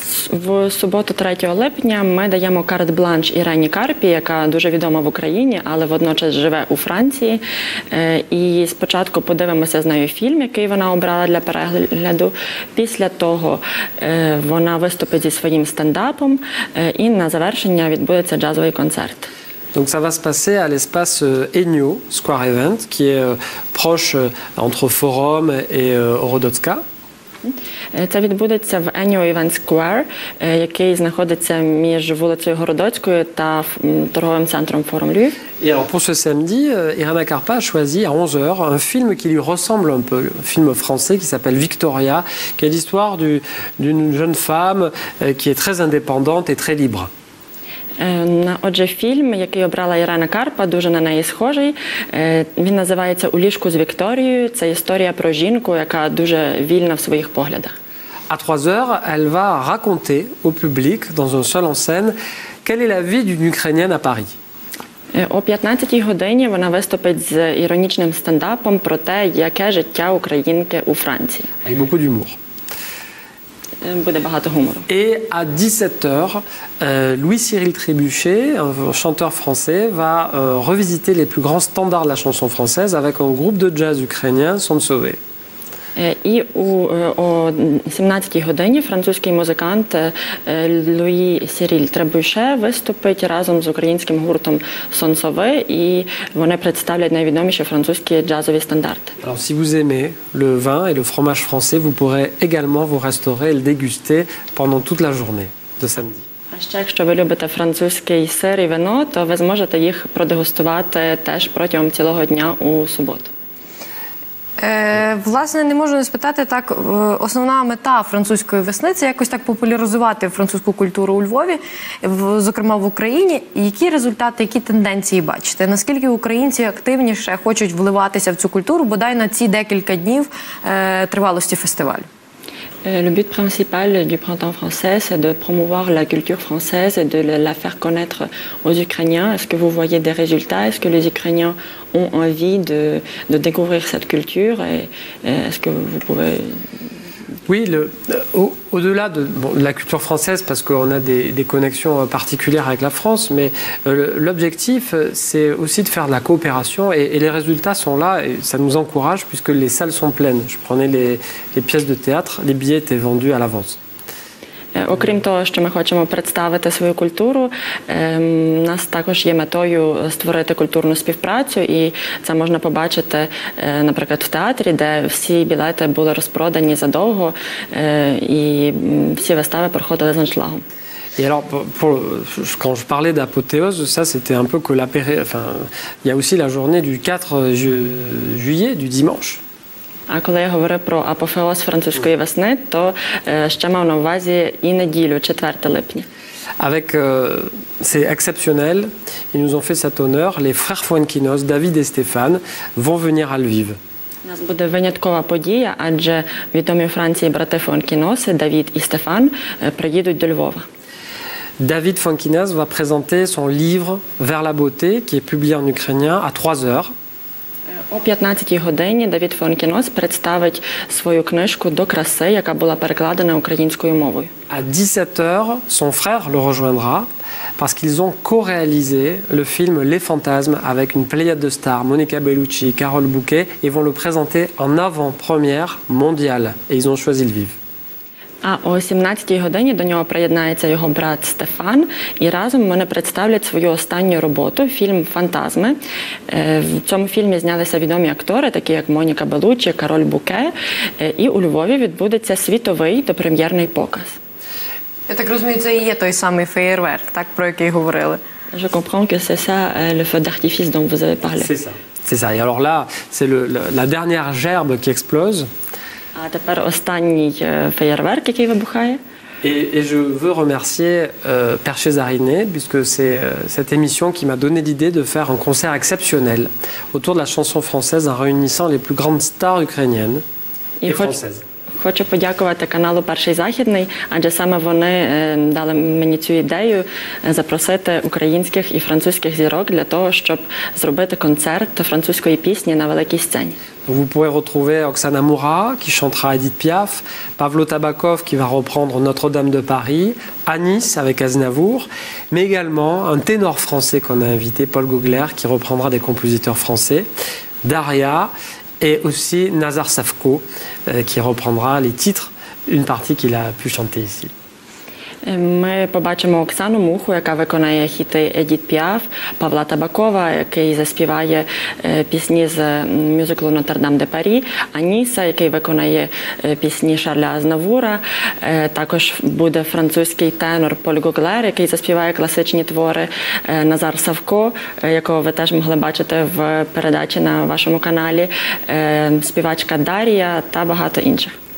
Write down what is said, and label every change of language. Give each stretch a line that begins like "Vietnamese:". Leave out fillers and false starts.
Ukrainian: в суботу, 3 липня, ми даємо карт-бланш Ірені Карпі, яка дуже відома в Україні, але водночас живе у Франції. І спочатку подивимося з нею фільм, який вона обрала для перегляду. Після того вона виступить зі своїм стендапом, і на завершення відбудеться джазовий концерт.
French: Donc ça va se passer à l'espace Ennio Square Event, qui est proche entre Forum et Orodotska.
Ukrainian: Це відбудеться в Ennio Event Square, який знаходиться між вулицею Городоцькою та торговим центром Forum Lyon.
French: Et alors pour ce samedi, Irène Carpa a choisi à 11h un film qui lui ressemble un peu, un film français qui s'appelle Victoria, qui est l'histoire d'une jeune femme qui est très indépendante et très libre.
Ukrainian: Отже, фільм, який обрала Ірена Карпа, дуже на неї схожий. Він називається «У ліжку з Вікторією». Це історія про жінку, яка дуже вільна в своїх поглядах.
French: À 3h, elle va raconter au public, dans un seul en scène, quelle est la vie d'une ukrainienne à Paris.
Ukrainian: О 15-й годині вона виступить з іронічним стендапом про те, яке життя українки у Франції.
French: Avec beaucoup d'humour.
Ukrainian: Буде багато гумору.
French: Et à 17h, Louis-Cyril Trébuchet, un chanteur français, va revisiter les plus grands standards de la chanson française avec un groupe de jazz ukrainien, Son Sauvé.
Ukrainian: І о 17-й годині французький музикант Louis-Cyril Trébuchet виступить разом з українським гуртом Son Sauvé, і вони представлять найвідоміші французькі джазові стандарти.
French: Alors, si vous aimez le vin et le fromage français, vous pourrez également vous restaurer et le déguster pendant toute la journée de samedi.
Ukrainian: А ще, якщо ви любите французький сир і вино, то ви зможете їх продегустувати теж протягом цілого дня у суботу. Власне, не можу не спитати, так, основна мета французької весни – це якось так популяризувати французьку культуру у Львові, зокрема в Україні. Які результати, які тенденції бачите? Наскільки українці активніше хочуть вливатися в цю культуру, бодай на ці декілька днів тривалості фестивалю?
French: Le but principal du printemps français, c'est de promouvoir la culture française et de la faire connaître aux Ukrainiens. Est-ce que vous voyez des résultats? Est-ce que les Ukrainiens ont envie de découvrir cette culture? Et est-ce que vous pouvez... Oui, au-delà de la culture française, parce qu'on a des connexions particulières avec la France, mais l'objectif, c'est aussi de faire de la coopération, et les résultats sont là, et ça nous encourage, puisque les salles sont pleines. Je prenais les pièces de théâtre, les billets étaient vendus à l'avance.
Ukrainian: Окрім того, що ми хочемо представити свою культуру, у нас також є метою створити культурну співпрацю, і це можна побачити, наприклад, в театрі, де всі білети були розпродані задовго, і всі вистави проходили з аншлагом.
French: Et alors, quand je parlais d'apothéose, ça c'était un peu que l'apéro, enfin, il y a aussi la journée du 4 juillet, du dimanche.
Ukrainian: А коли я говорю про апофеоз французької весни, то ще мав на увазі і неділю, 4 липня.
French: Avec c'est exceptionnel, ils nous ont fait cet honneur, les frères Fuenkinos, David et Stéphane vont venir à Lviv.
Ukrainian: У нас буде виняткова подія, адже відомі у Франції брати Фуенкіноси, Давид і Стефан, приїдуть до Львова.
French: David Fuenkinos va présenter son livre Vers la beauté qui est publié en ukrainien à 3h.
Ukrainian: О 15-й годині Давид Фуенкінос представить свою книжку «До краси», яка була перекладена українською мовою.
French: À 17h, son frère le rejoindra, parce qu'ils ont co-réalisé le film «Les fantasmes» avec une pléiade de stars, Monica Bellucci, Carole Bouquet, et vont le présenter en avant-première mondiale. Et ils ont choisi le vivre.
Ukrainian: А о 17-й годині до нього приєднається його брат Стефан, і разом вони представлять свою останню роботу – фільм «Фантазми». В цьому фільмі знялися відомі актори, такі як Моніка Белуччі, Кароль Буке, і у Львові відбудеться світовий допрем'єрний показ. Я так розумію, це і є той самий феєрверк, так, про який говорили.
French: Je comprends que c'est ça le feu d'artifice dont vous avez parlé. C'est ça. Et alors là, c'est la dernière gerbe qui explose.
Ukrainian: А тепер останній феєрверк, який вибухає.
French: Et je veux remercier Perché Zariné, puisque c'est cette émission qui m'a donné l'idée de faire un concert exceptionnel autour de la chanson française en réunissant les plus grandes stars ukrainiennes et françaises.
Ukrainian: хочу подякувати каналу «Перший Західний», адже саме вони дали мені цю ідею запросити українських і французьких зірок для того, щоб зробити концерт французької пісні на великій сцені.
French: Vous pouvez retrouver Oksana Moura, qui chantera Edith Piaf, Pavlo Tabakov, qui va reprendre Notre-Dame de Paris, Anis avec Aznavour, mais également un ténor français qu'on a invité, Paul Gugler, qui reprendra des compositeurs français, Daria, et aussi Nazar Safko, qui reprendra les titres, une partie qu'il a pu chanter ici.
Ukrainian: Ми побачимо Оксану Муху, яка виконає хіти Едіт Піаф, Павла Табакова, який заспіває пісні з мюзиклу «Нотр-Дам де Парі», Аніса, який виконає пісні Шарля Азнавура, також буде французький тенор Поль Гуглер, який заспіває класичні твори, Назар Савко, якого ви теж могли бачити в передачі на вашому каналі, співачка Дарія та багато інших.